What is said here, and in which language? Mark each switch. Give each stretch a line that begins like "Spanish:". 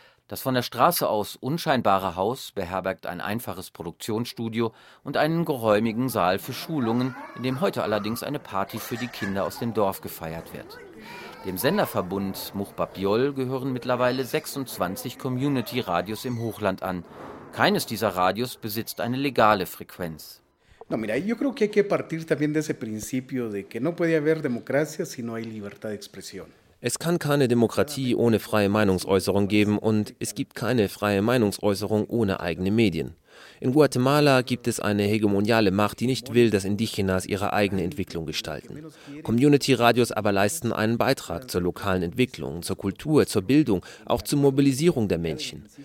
German: Das von der Straße aus unscheinbare Haus beherbergt ein einfaches Produktionsstudio und einen geräumigen Saal für Schulungen, in dem heute allerdings eine Party für die Kinder aus dem Dorf gefeiert wird. Dem Senderverbund Mujbabiol gehören mittlerweile 26 Community-Radios im Hochland an. Keines dieser Radios besitzt eine legale Frequenz.
Spanish: No, mira, yo creo que hay que partir también de ese principio de que no puede haber democracia si no hay libertad de expresión.
German: Es kann keine Demokratie ohne freie Meinungsäußerung geben und es gibt keine freie Meinungsäußerung ohne eigene Medien. In Guatemala gibt es eine hegemoniale Macht, die nicht will, dass Indigenas ihre eigene Entwicklung gestalten. Community-Radios aber leisten einen Beitrag zur lokalen Entwicklung, zur Kultur, zur Bildung, auch zur Mobilisierung der Menschen.